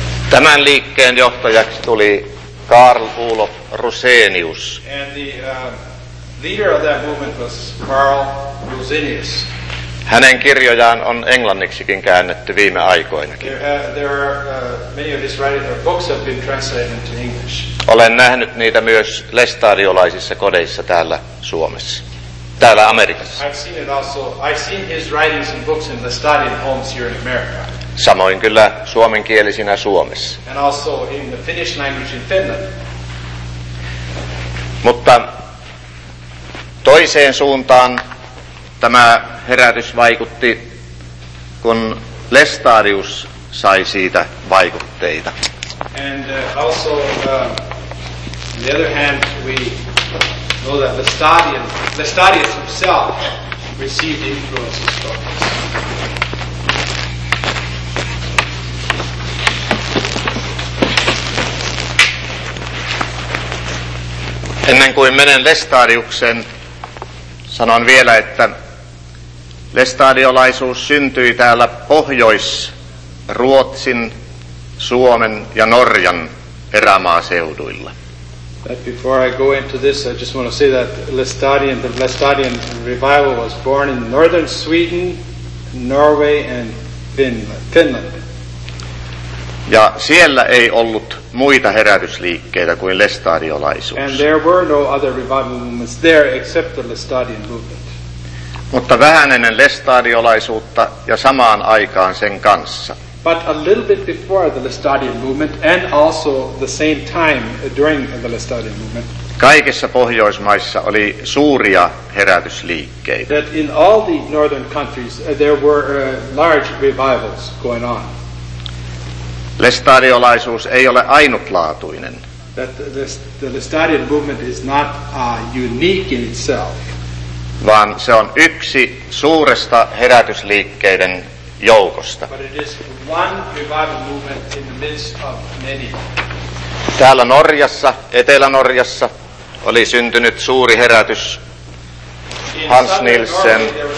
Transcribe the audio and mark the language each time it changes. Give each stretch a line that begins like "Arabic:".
Finnish: Tämän liikkeen johtajaksi tuli Karl Olof Rosenius.
English: And the leader of that movement was Karl Rosenius.
Finnish: Hänen kirjojaan on englanniksikin käännetty viime aikoinakin.
English: Many of his writings or books have been translated into English.
Finnish: Olen nähnyt niitä myös lestadiolaisissa kodeissa täällä Suomessa. Täällä Amerikassa.
English: I've seen his writings and books in Lestadian homes here in America.
Finnish: Samoin kyllä suomenkielisinä Suomessa.
English: And also in the Finnish language in Finland.
Finnish: Mutta toiseen suuntaan tämä herätys vaikutti, kun Lestadius sai siitä vaikutteita.
English: And also on the other hand we know that Lestadius himself received influences from this.
Finnish: Ennen kuin menen Lestadiukseen, Sanon vielä, että lestadiolaisuus syntyi täällä Pohjois-Ruotsin, Suomen ja Norjan erämaaseuduilla.
English: But before I go into this, I just want to say that the Lestadian revival was born in northern Sweden, Norway and Finland.
Finnish: Ja siellä ei ollut muita herätysliikkeitä kuin lestadiolaisuus.
English: And there were no other revival movements there except the Lestadian movement.
Finnish: Mutta vähän ennen lestadiolaisuutta ja samaan aikaan sen kanssa.
English: But a little bit before the Lestadian movement and also the same time during the Lestadian movement.
Finnish: Kaikissa Pohjoismaissa oli suuria herätysliikkeitä.
English: That in all the northern countries there were large revivals going on.
Finnish: Lestadiolaisuus ei ole ainutlaatuinen.
English: That the Lestadian movement is not unique in itself.
Finnish: Vaan se on yksi suuresta herätysliikkeiden joukosta.
English: But it is one revival movement in the midst of many.
Finnish: Täällä Norjassa, Etelä-Norjassa, oli syntynyt suuri herätys. Hans Nielsen.